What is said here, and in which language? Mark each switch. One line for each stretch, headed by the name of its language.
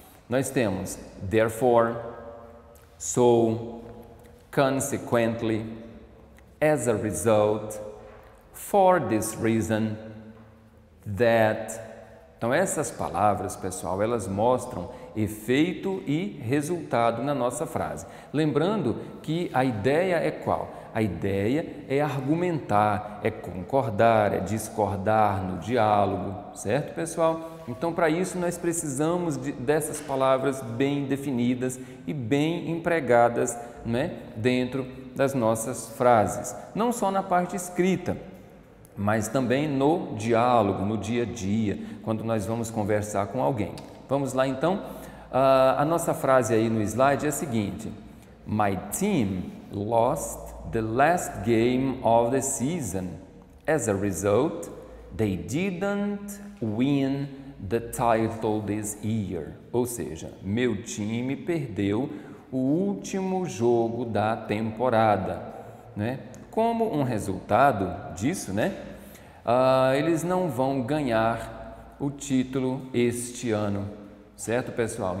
Portuguese: Nós temos
English: therefore, so, consequently, as a result, for this reason, that.
Portuguese: Então, essas palavras, pessoal, elas mostram efeito e resultado na nossa frase. Lembrando que a ideia é qual? A ideia é argumentar, é concordar, é discordar no diálogo, certo, pessoal? Então, para isso, nós precisamos dessas palavras bem definidas e bem empregadas, né, dentro das nossas frases. Não só na parte escrita, mas também no diálogo, no dia a dia, quando nós vamos conversar com alguém. Vamos lá, então. A nossa frase aí no slide é a seguinte.
English: My team lost the last game of the season. As a result, they didn't win the title this year.
Portuguese: Ou seja, meu time perdeu o último jogo da temporada. Né? Como um resultado disso, né? Eles não vão ganhar o título este ano. Certo, pessoal?